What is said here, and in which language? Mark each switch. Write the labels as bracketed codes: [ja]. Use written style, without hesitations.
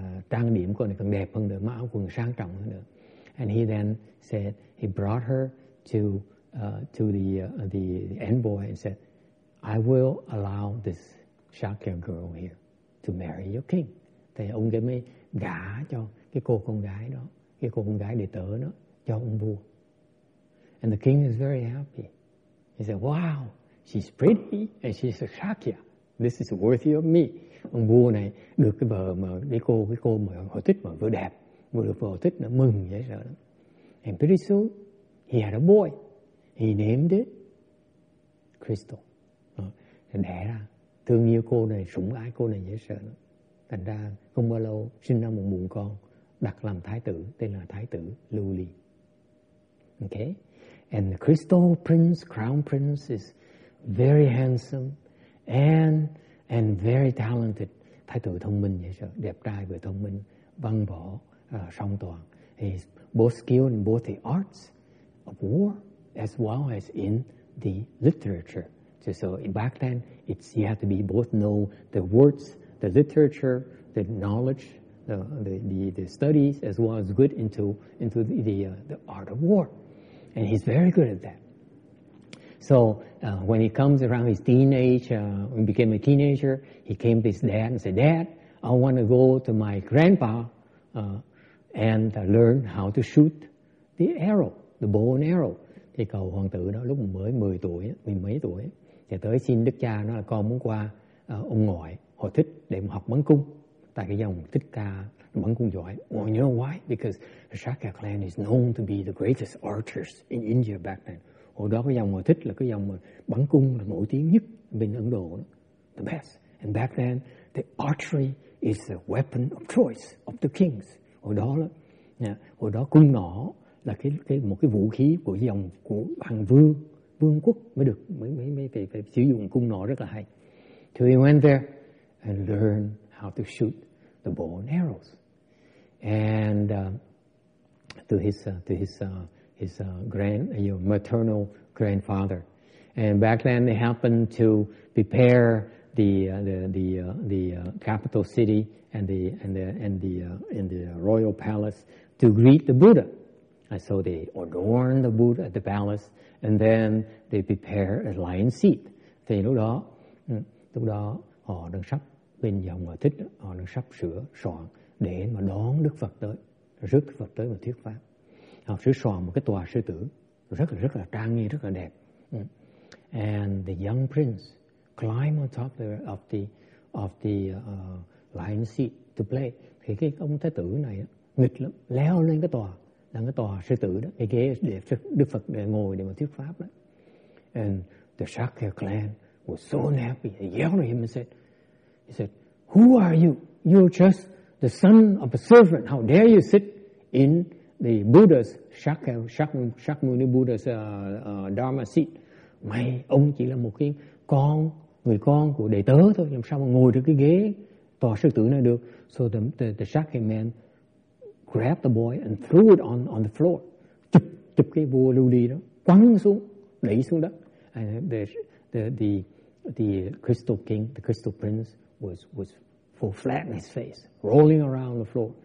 [vi] Trang điểm còn còn đẹp hơn nữa, mặc áo quần sang trọng hơn nữa. [en] And he then said, he brought her to the envoy and said, I will allow this Shakya girl here to marry your king. [vi] Thì ông ấy mới gả cho cái cô con gái đệ tớ đó cho ông vua. [en] And the king is very happy. He said, wow, she's pretty and she's a Shakya. This is worthy of me. [vi] Ông vua này được cái vợ mà cái cô mà họ thích, mà vừa đẹp vừa được vợ thích, nó mừng dễ sợ lắm. [en] And pretty soon he had a boy. He named it Crystal. [vi] Đẻ ra, thương yêu cô này, sủng ái cô này dễ sợ lắm. Thành ra không bao lâu sinh ra một mụn con, đặt làm thái tử, tên là thái tử Luli. Okay. [en] And the Crystal Prince, Crown Prince, is very handsome and very talented. [vi] Thái tử thông minh vậy sợ, đẹp trai vừa thông minh, văn võ song toàn. [en] He's both skilled in both the arts of war as well as in the literature. So back then, you had to be both know the words, the literature, the knowledge, the studies, as well as good into the art of war. And he's very good at that. So when he comes around his teenage, when he became a teenager, he came to his dad and said, Dad, I want to go to my grandpa and learn how to shoot the arrow, the bow and arrow. [vi] Thì cậu hoàng tử đó lúc mới 10 tuổi, mười mấy tuổi, thì tới xin đức cha nó là con muốn qua ông ngoại, họ thích để mà học bắn cung. Tại cái dòng Thích Ca bắn cung giỏi. [en] Well, you know why? Because the Shakya clan is known to be the greatest archers in India back then. [vi] Hồi đó cái dòng họ thích là cái dòng mà bắn cung là nổi tiếng nhất bên Ấn Độ đó. [en] The best. And back then, the archery is the weapon of choice of the kings. [vi] Hồi đó là, hồi đó cung nỏ là một cái vũ khí của dòng của hoàng vương, vương quốc mới được, mới phải sử dụng cung nỏ rất là hay. [en] So he went there and learned how to shoot the bow and arrows. And to his maternal grandfather. And back then they happened to prepare the capital city and the royal palace to greet the Buddha. And so they adorn the wood at the palace, and then they prepare a lion seat. [vi] Thì lúc đó họ đang sắp bên dòng họ thích, họ đang sắp sửa soạn để mà đón Đức Phật tới, rước Đức Phật tới mà thuyết pháp. Họ sửa soạn một cái tòa sư tử rất là trang nghiêm, rất là đẹp. [en] And the young prince climb on top of the lion seat to play. [vi] Thì cái ông thái tử này nghịch lắm, leo lên cái tòa, đang cái tòa sư tử đó, cái ghế để Đức Phật để ngồi để mà thuyết pháp đó. [en] And the Shakya clan was so unhappy. They yelled at him and said, "He said, 'Who are you? You're just the son of a servant. How dare you sit in the Buddha's Shakyamuni Buddha's Dharma seat? [vi] Mày, ông chỉ là một cái con, người con của đệ tớ thôi. Làm sao mà ngồi được cái ghế tòa sư tử này được?'" [en] So the Shakya man grabbed the boy and threw it on the floor. [vi] Chụp cái vua lưu ly đó, quăng xuống, đẩy xuống đất. [en] And the crystal king, the crystal prince, was full flat in his face, rolling around the floor.